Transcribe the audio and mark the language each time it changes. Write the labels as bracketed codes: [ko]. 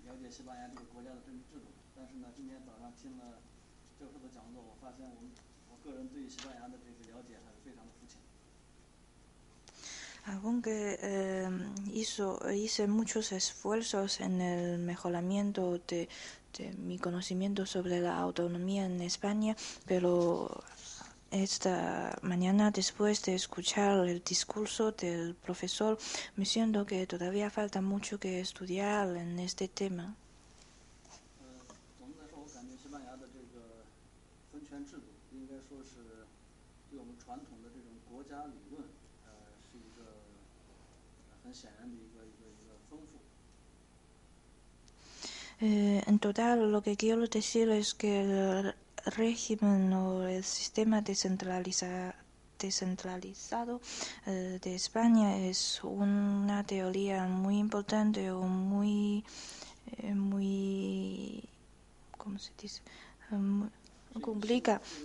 [zh] 西班牙这个国家的政治制度，但是呢，今天早上听了教授的讲座，我发现我个人对西班牙的这个了解还是非常的肤浅。 [es] Aunque hice muchos esfuerzos en el mejoramiento de mi conocimiento sobre la autonomía en España, pero esta mañana, después de escuchar el discurso del profesor, me siento que todavía falta mucho que estudiar en este tema. [zh] 总的来说，我感觉西班牙的这个分权制度，应该说是对我们传统的这种国家理论，是一个很显然的一个丰富。 [es] En total, lo que quiero decir es que régimen o el sistema descentralizado de España es una teoría muy importante o muy muy ¿cómo se dice? Complica.